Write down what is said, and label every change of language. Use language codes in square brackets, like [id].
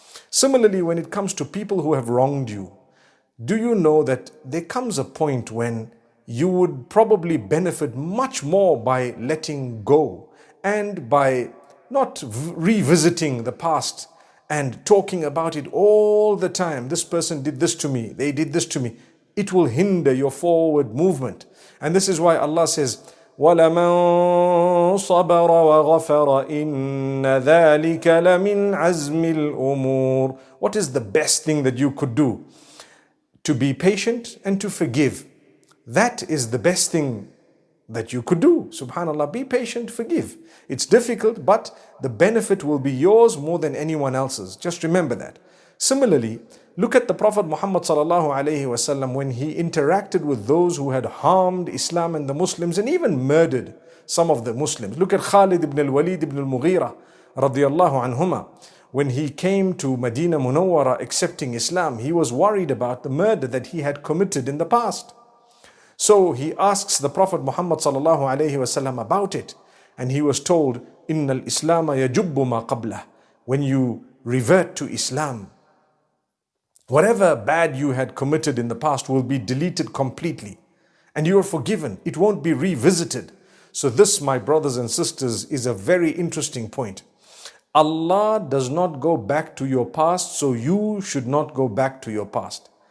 [en] Similarly, when it comes to people who have wronged you, do you know that there comes a point when you would probably benefit much more by letting go and by not revisiting the past and talking about it all the time. This person did this to me, they did this to me. It will hinder your forward movement. And this is why Allah says, [ar] وَلَمَن صَبَرَ وَغَفَرَ إِنَّ ذَٰلِكَ لَمِنْ عَزْمِ الْأُمُورِ. [en] What is the best thing that you could do? To be patient and to forgive. That is the best thing that you could do. SubhanAllah, be patient, forgive. It's difficult, but the benefit will be yours more than anyone else's. Just remember that. Similarly, look at the Prophet Muhammad sallallahu alayhi wasallam when he interacted with those who had harmed Islam and the Muslims and even murdered some of the Muslims. Look at Khalid ibn al-Walid ibn al-Mughira radiyallahu anhuma. When he came to Medina Munawwara accepting Islam, he was worried about the murder that he had committed in the past. So he asks the Prophet Muhammad sallallahu alayhi wasallam about it. And he was told, [ar] إِنَّ الْإِسْلَامَ يَجُبُّ مَا قَبْلَهُ. [en] When you revert to Islam, whatever bad you had committed in the past will be deleted completely. And you are forgiven. It won't be revisited. So this, my brothers and sisters, is a very interesting point. Allah does not go back to your past, so you should not go back to your past.